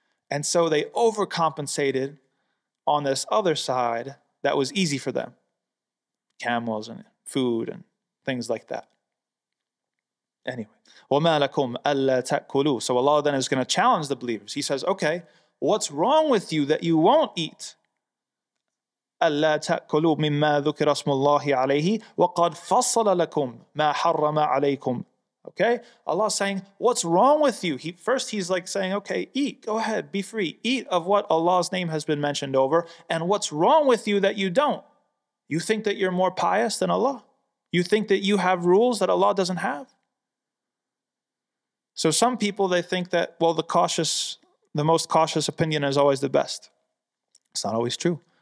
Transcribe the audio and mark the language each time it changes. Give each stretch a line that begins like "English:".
English: And so they overcompensated on this other side that was easy for them. Camels and food and things like that. Anyway.
Arabic: وَمَا لَكُمْ أَلَّا تَأْكُلُوا
English: So Allah then is going to challenge the believers. He says, okay, what's wrong with you that you won't eat?
Arabic: أَلَّا تَأْكُلُوا مِمَّا ذُكِرَ اسْمُ اللَّهِ عَلَيْهِ وَقَدْ فَصَّلَ لَكُمْ مَا حَرَّمَ عَلَيْكُمْ
English: Okay, Allah's saying, what's wrong with you? He's saying, okay, eat, go ahead, be free. Eat of what Allah's name has been mentioned over. And what's wrong with you that you don't? You think that you're more pious than Allah? You think that you have rules that Allah doesn't have? So some people, they think that, well, the most cautious opinion is always the best. It's not always true.